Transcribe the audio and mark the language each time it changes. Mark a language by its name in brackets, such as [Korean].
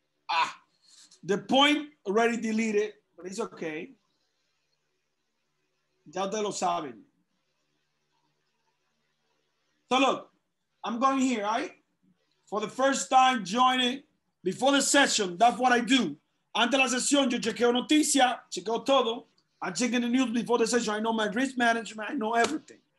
[English] Ah. The point already deleted, but it's okay. [Spanish] Ya ustedes lo saben. [English] So, look. I'm going here, all right? For the first time joining before the session, that's what I do. [Spanish] Antes la sesión, yo chequeo noticias, chequeo todo. [English] I'm checking the news before the session. I know my risk management. I know everything.